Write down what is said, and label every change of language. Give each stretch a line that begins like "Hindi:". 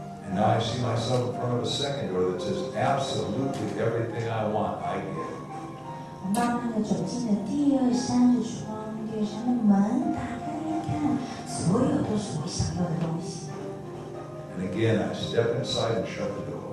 English: And now I see myself in front of a second door that says absolutely everything I want, I get.
Chinese: 我慢慢地走进了第二扇的窗，第二扇的门，打开一看，所有都是我想要的东西。
English: And again, I step inside and shut the door.